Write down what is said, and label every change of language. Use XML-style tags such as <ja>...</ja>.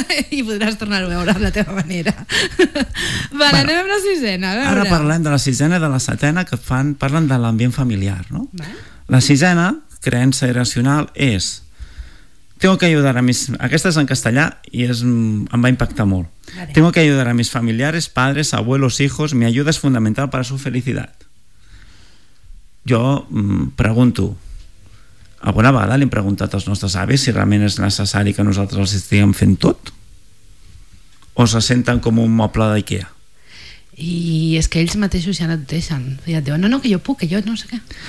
<ca>I podràs tornar a veure la teva manera. Vale, bueno, anem amb la sisena. Ara parlem de la sisena i de la setena, que parlen de l'ambient familiar, no? La sisena creença irracional és:</ca> <es>Tengo que ayudar a mis...</es> <ca>Aquesta és en castellà i és, em va impactar molt. Vale.</ca> <es>Tengo que ayudar a mis familiares, padres, abuelos, hijos. Mi ayuda es fundamental para su felicidad.</es> <ca>Jo pregunto, alguna vegada li hem preguntat als nostres avis si realment és necessari que nosaltres els estiguem fent tot? O se senten com un moble d'IKEA? I és que ells mateixos ja no et deixen. I et diuen, no, que jo puc, que jo no sé què.</ca>